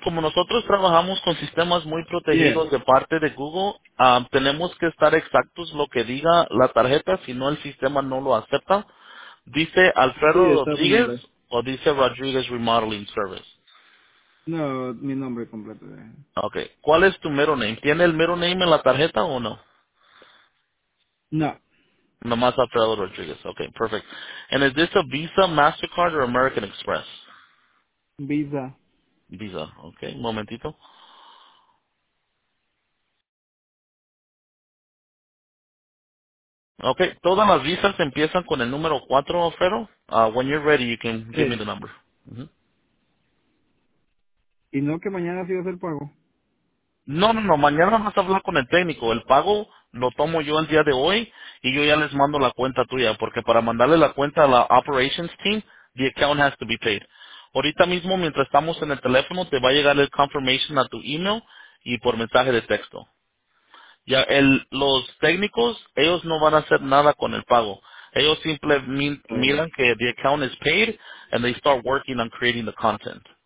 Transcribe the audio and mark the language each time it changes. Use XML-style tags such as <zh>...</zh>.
<es>Como nosotros trabajamos con sistemas muy protegidos de parte de Google, tenemos que estar exactos lo que diga la tarjeta, si no el sistema no lo acepta. Dice Alfredo Rodriguez o dice Rodriguez Remodeling Service. No, mi nombre completo. Okay. ¿Cuál es tu middle name? ¿Tiene el middle name en la tarjeta o no? No. Nomás Alfredo Rodriguez.</es> <en>Okay, perfect. And is this a Visa, MasterCard, or American Express? Visa.</en> <es>Visa, okay. Un momentito. Okay, todas las visas empiezan con el número 4, Alfredo.</es> <en>When you're ready, you can give me the number.</en> <es>Y no que mañana sí va a ser pago. No, mañana vas a hablar con el técnico. El pago lo tomo yo el día de hoy y yo ya les mando la cuenta tuya, porque para mandarle la cuenta a la operations team,</es> <en>the account has to be paid.</en> <es>Ahorita mismo, mientras estamos en el teléfono, te va a llegar el confirmation a tu email y por mensaje de texto. Ya los técnicos, ellos no van a hacer nada con el pago. Ellos simplemente miran que</es> <en>the account is paid and they start working on creating the content.</en>